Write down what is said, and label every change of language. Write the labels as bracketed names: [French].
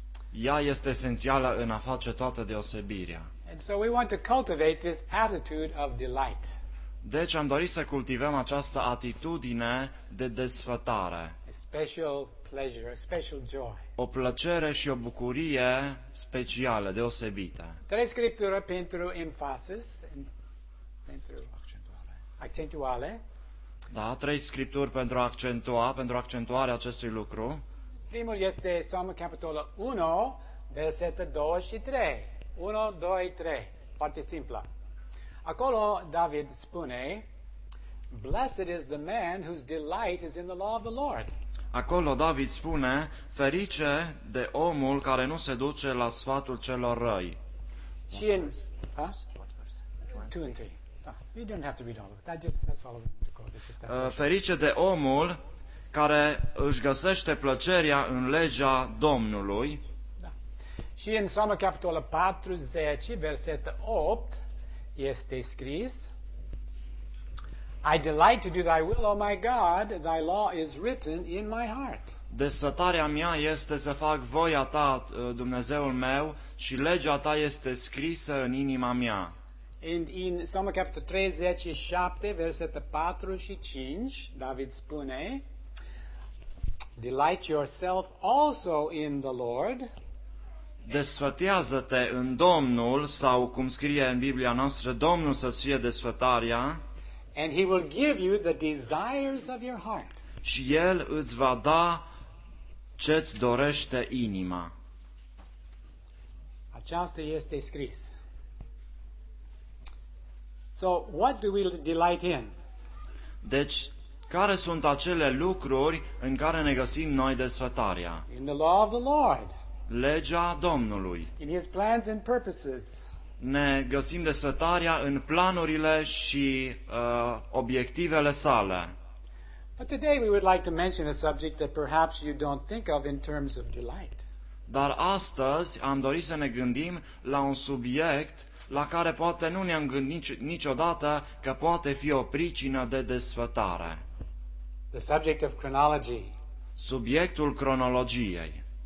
[Romanian] Ea este esențială în a face toată deosebirea. [English] And so we want to cultivate this attitude of delight. [Romanian] Deci am dorit să cultivăm această atitudine de desfătare. [English] A special pleasure, a special joy. [Romanian] O plăcere și o bucurie specială, deosebită. Trei scripturi pentru emphasis, pentru accentuare. Da, trei scripturi pentru a accentua, pentru accentuarea acestui lucru. Primul este Psalmul capitolul 1, versetul 2 și 3. 1, 2, 3. Foarte simplă. Acolo David spune, [English] blessed is the man whose delight is in the law of the Lord. [Romanian] Acolo David spune, ferice de omul care nu se duce la sfatul celor răi. Și în... Ha? [English] 2 and 3. We don't have to read all of it. That's all of it. [Romanian] Ferice de omul care își găsește plăcerea în legea Domnului. Și în Psalmul capitolul 40, versetul 8, este scris, [English] I delight to do thy will, O my God, thy law is written in my heart. [Romanian] Desfătarea mea este să fac voia ta, Dumnezeul meu, și legea ta este scrisă în inima mea. [English] And in [Romanian] Psalmul capitolul 37, versetul 4 și 5, David spune, [English] delight yourself also in the Lord, [Romanian] desfătează-te în Domnul, sau cum scrie în Biblia noastră, Domnul să-ți fie desfătarea. [English] And he will give you the desires of your heart. [Romanian] Și el îți va da ce-ți dorește inima. Aceasta este scris. [English] So, what do we delight in? [Romanian] Deci, care sunt acele lucruri în care ne găsim noi desfătarea? [English] In the law of the Lord. [Romanian] Legea Domnului. [English] In his plans and purposes. [Romanian] Ne găsim desfătarea în planurile și obiectivele sale. [English] But today we would like to mention a subject that perhaps you don't think of in terms of delight. [Romanian] Dar astăzi am dorit să ne gândim la un subiect la care poate nu ne-am gândit niciodată că poate fi o pricină de desfătare. [English] The subject of chronology. [Romanian] Subiectul cronologiei.